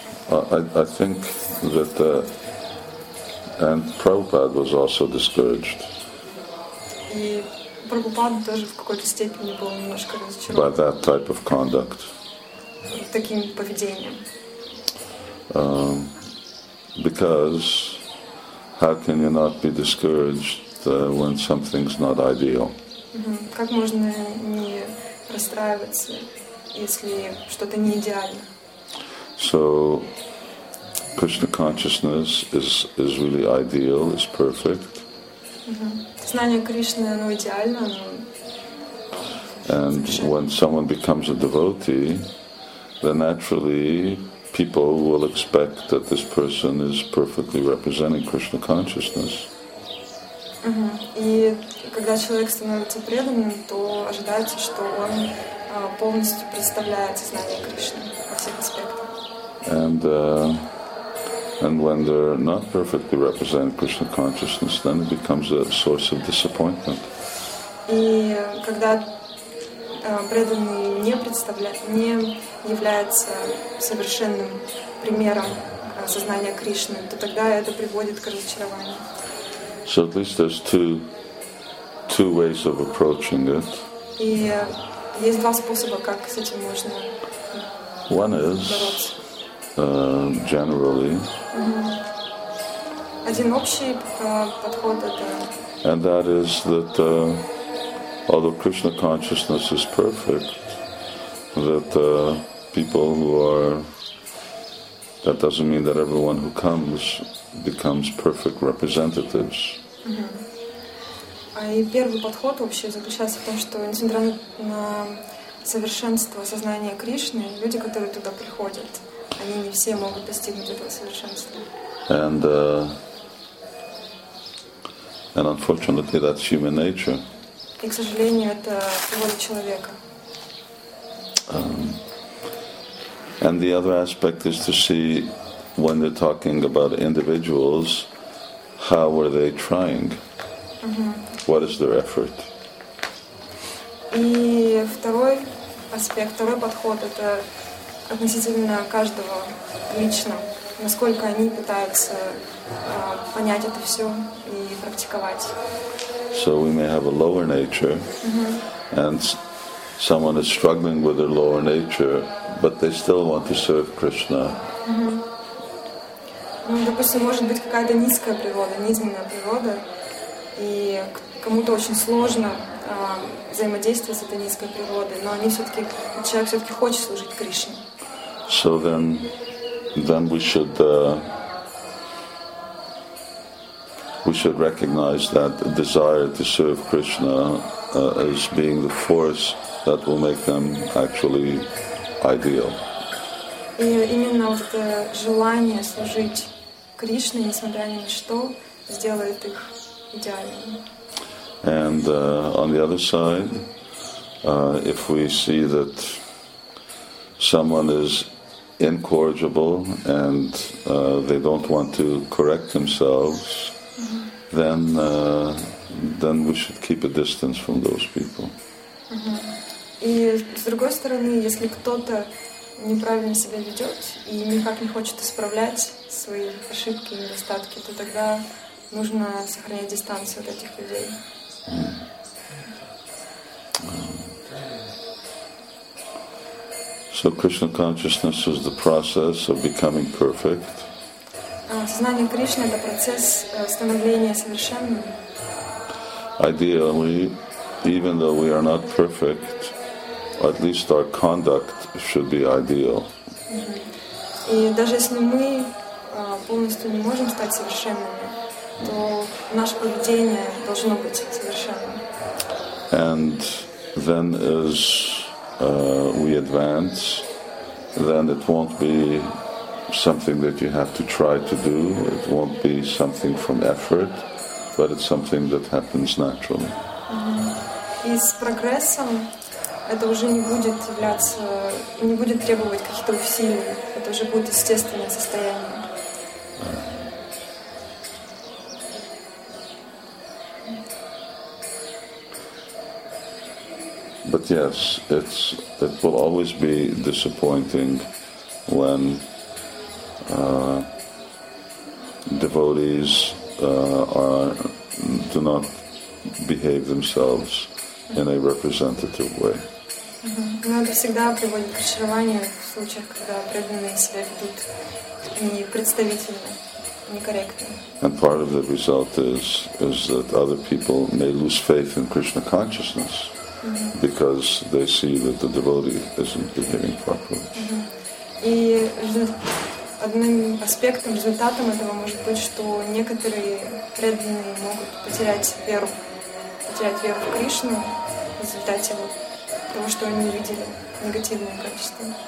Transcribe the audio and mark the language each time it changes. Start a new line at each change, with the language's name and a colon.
English: I think that and Prabhupada was also discouraged.
Russian: Прабхупада тоже в какой-то степени был немножко разочарован.
English: By that type of conduct.
Russian: Таким поведением.
English: Because how can you not be discouraged when something's not ideal?
Russian: Как можно не расстраиваться, если что-то не идеально?
English: So Krishna consciousness is really ideal, is perfect.
Russian: Знание Кришны, оно идеально, оно...
English: And when someone becomes a devotee, then naturally people will expect that this person is perfectly representing Krishna consciousness.
Russian: И когда человек становится преданным, то ожидается, что он полностью представляет знание Кришны во всех аспектах.
English: And when they're not perfectly representing Krishna consciousness, then it becomes a source of disappointment.
Russian: И когда преданный не представляет, не является совершенным примером сознания Кришны, то тогда это приводит к разочарованию.
English: So at least there's two ways of approaching it.
Russian: И есть два способа, как с этим можно бороться.
English: One is generally.
Russian: Один общий подход это.
English: And that is that although Krishna consciousness is perfect, that people who are, that doesn't mean that everyone who comes becomes perfect representatives.
Russian: И первый подход вообще заключается в том, что несмотря на совершенство сознания Кришны, люди, которые туда приходят, они не все могут достигнуть этого совершенства.
English: And unfortunately, that's human nature.
Russian: И, к сожалению, это воля человека.
English: And the other aspect is to see when they're talking about individuals, how were they trying? What is their effort?
Russian: И второй аспект, второй подход — это относительно каждого лично. Насколько они пытаются понять это все и практиковать.
English: So we may have a lower nature, and someone is struggling with their lower nature, but they still want to serve Krishna.
Russian: Ну, допустим, может быть какая-то низкая природа, низменная природа, и кому-то очень сложно взаимодействовать с этой низкой природой, но они все-таки, человек все-таки хочет служить Кришне.
English: So then. Then we should recognize that the desire to serve Krishna as being the force that will make them actually ideal.
Russian: И именно вот это желание служить Кришне, несмотря ни на что, сделает их идеальными.
English: And on the other side, if we see that someone is incorrigible and they don't want to correct themselves, then we should keep a distance from those people.
Russian: И с другой стороны, если кто-то неправильно себя ведет и никак не хочет исправлять свои ошибки и недостатки, то тогда нужно сохранять дистанцию от этих людей.
English: So So Krishna consciousness is the process of becoming perfect.
Russian: Сознание Кришны — это процесс становления совершенным.
English: Ideally, even though we are not perfect, at least our conduct should be ideal.
Russian: И даже если мы полностью не можем стать совершенными, то наше поведение должно быть совершенным.
English: And then as we advance, then it won't be something that you have to try to do, it won't be something from effort, but it's something that happens naturally.
Russian: И с прогрессом это уже не будет являться, не будет требовать каких-то усилий, это уже будет естественное состояние.
English: But yes, it will always be disappointing when devotees do not behave themselves in a representative way.
Russian: Но это всегда приводит к разочарованию в случаях, когда преданные себя ведут непредставительно, некорректно.
English: And part of the result is that other people may lose faith in Krishna consciousness. Mm-hmm. Because they see that the devotee isn't behaving properly.
Russian: И одним аспектом, результатом этого может быть, что некоторые преданные могут потерять веру в Кришну в результате того, что они видели негативные качества.